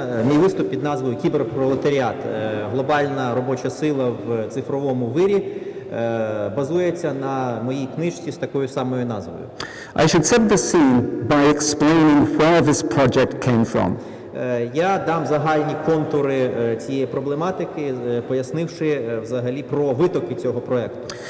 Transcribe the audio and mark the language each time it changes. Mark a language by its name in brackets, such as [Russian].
[Ukrainian] Мій виступ під назвою «Кіберпролетаріат. Глобальна робоча сила в цифровому вирі» базується на моїй книжці з такою самою назвою. [English] I should set the scene by explaining where this project came from. [Ukrainian] Я дам загальні контури цієї проблематики, пояснивши взагалі про витоки цього проекту.